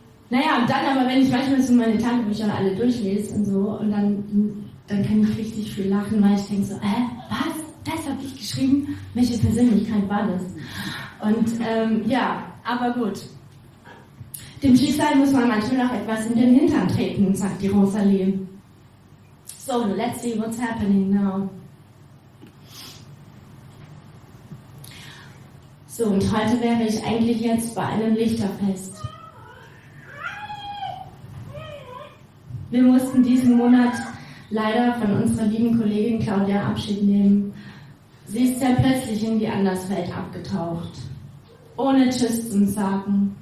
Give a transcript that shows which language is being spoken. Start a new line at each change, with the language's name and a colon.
German: Naja, und dann aber, wenn ich manchmal so meine Tagebücher alle durchlese und so, und dann dann kann ich richtig viel lachen, weil ich denke so, was? Das habe ich geschrieben? Welche Persönlichkeit war das? Und ja, aber gut. Dem Schicksal muss man manchmal auch etwas in den Hintern treten, sagt die Rosalie.
English: So, let's see what's happening now.
German: So, und heute wäre ich eigentlich jetzt bei einem Lichterfest. Wir mussten diesen Monat leider von unserer lieben Kollegin Claudia Abschied nehmen. Sie ist sehr plötzlich in die Anderswelt abgetaucht. Ohne Tschüss zu sagen.